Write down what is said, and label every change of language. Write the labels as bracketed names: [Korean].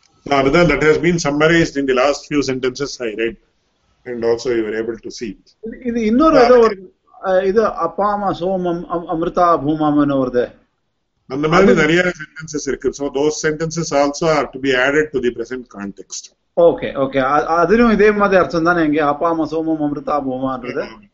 [English] Now, that has been summarized in the last few sentences I read and also you were able to see. [Tamil] இது இன்னொரு ஏதோ ஒரு இது அபாம சோமம் அமிர்தா பூமாமன வருது. அந்த மாதிரி நிறைய சென்டென்சஸ் இருக்கு. [English] So those sentences also are to be added to the present context. [Tamil] Okay okay அதுலயும் இதே மாதிரி அர்த்தம் தானே இங்கே அப்பாம சோமம் அமிர்தா பூமான்றது.